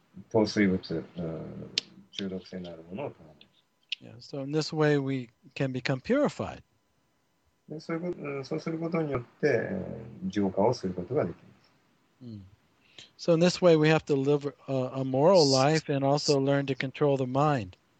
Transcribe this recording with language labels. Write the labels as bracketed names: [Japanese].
[Japanese] 糖水物、中毒性のあるものを取らない。 [English] So in this way we can become purified. [Japanese] で、そうすることによって、浄化をすることができます。 [English] So in this way we have to live a moral life and also learn to control the mind.